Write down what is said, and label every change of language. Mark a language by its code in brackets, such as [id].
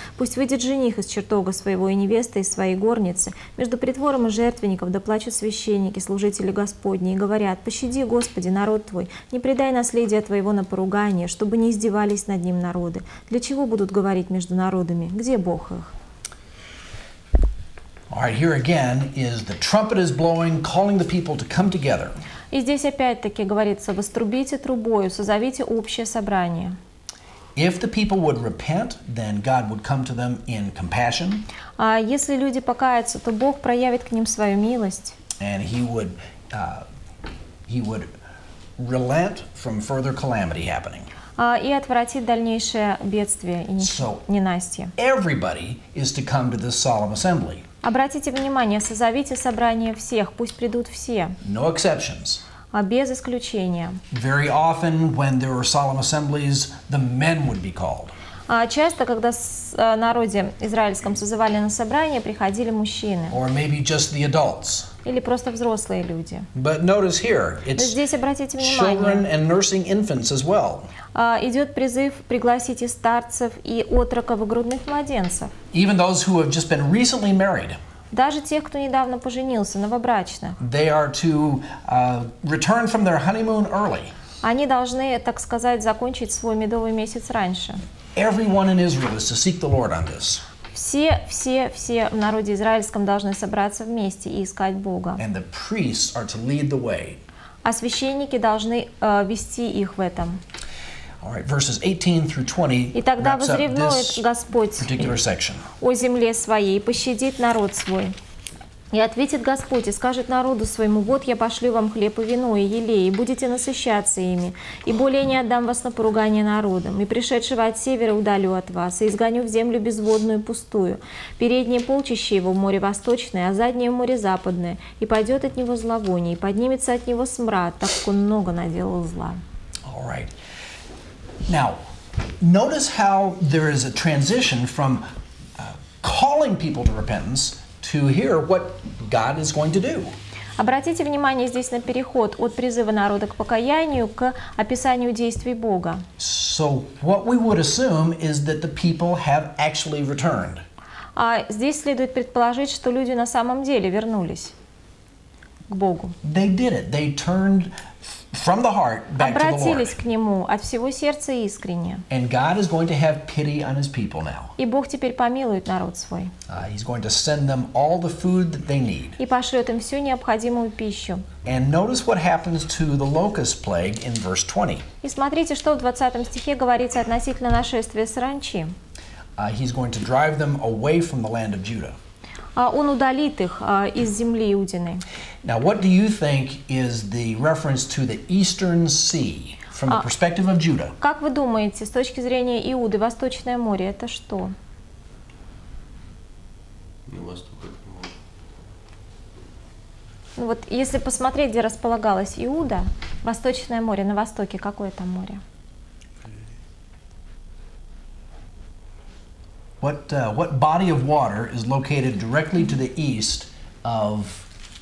[ru] Пусть выйдет жених из чертога своего и невеста из своей горницы. Между притвором и жертвенником доплачут священники, служители Господни, и говорят, пощади, Господи, народ твой, не предай наследия твоего на поругание, чтобы не издевались над ним народы. Для чего будут говорить между народами? Где Бог их?» [en] All right, here again is the trumpet is blowing, calling the people to come together. [ru] И здесь опять-таки говорится, вострубите трубою, созовите общее собрание. [en] If the people would repent, then God would come to them in compassion. [ru] А если люди покаятся, то Бог проявит к ним свою милость. [en] And he would relent from further calamity happening. [ru] И отвратить дальнейшее бедствие и ненастье. [en] So everybody is to come to this solemn assembly. [ru] Обратите внимание, созовите собрание всех, пусть придут все. [en] No exceptions. [ru] Без исключения. [en] Very often, when there were solemn assemblies, the men would be called. [ru] Часто, когда народе израильском созывали на собрание, приходили мужчины. [en] Or maybe just the adults. [ru] Или просто взрослые люди. [en] But notice here, it's [ru] здесь обратите внимание. [en] Children and nursing infants as well. [ru] Идет призыв пригласить и старцев, и отроков, и грудных младенцев. [en] Even those who have just been recently married. [ru] Даже тех, кто недавно поженился, новобрачно. [en] They are to return from their honeymoon early. [ru] Они должны, так сказать, закончить свой медовый месяц раньше. [en] Everyone in Israel is to seek the Lord on this. [ru] Все в народе израильском должны собраться вместе и искать Бога. [en] And the priests are to lead the way. [ru] А священники должны вести их в этом. [en] All right, verses 18 through 20 [ru] и тогда возревнует Господь о земле своей, пощадит народ свой. И ответит Господь и скажет народу своему, вот я пошлю вам хлеб и вино и елей, и будете насыщаться ими, и более не отдам вас на поругание народам, и пришедшего от севера удалю от вас, и изгоню в землю безводную пустую, переднее полчище его в море восточное, а заднее в море западное, и пойдет от него зловоние, и поднимется от него смрад, так как он много наделал зла. [en] All right. Now, notice how there is a transition from calling people to repentance to hear what God is going to do. [ru] Обратите внимание здесь на переход от призыва народа к покаянию к описанию действий Бога. [en] So what we would assume is that the people have actually returned. Здесь следует предположить, что люди на самом деле вернулись к Богу. They did it. They turned from the heart back to the Lord. [ru] Обратились к Нему от всего сердца искренне. [en] And God is going to have pity on His people now. [ru] И Бог теперь помилует народ свой. [en] He's going to send them all the food that they need. [ru] И пошлет им всю необходимую пищу. [en] And notice what happens to the locust plague in verse 20. [ru] И смотрите, что в 20 стихе говорится относительно нашествия саранчи. [en] He's going to drive them away from the land of Judah. [ru] Он удалит их из земли Иудины. [en] Now, what do you think is the reference to the Eastern Sea from the perspective of Judah? [ru] Как вы думаете, с точки зрения Иуды, Восточное море — это что? Ну, Восток, это море. Ну, вот если посмотреть, где располагалась Иуда, Восточное море, на востоке какое там море? [en] What body of water is located directly to the east of Judah?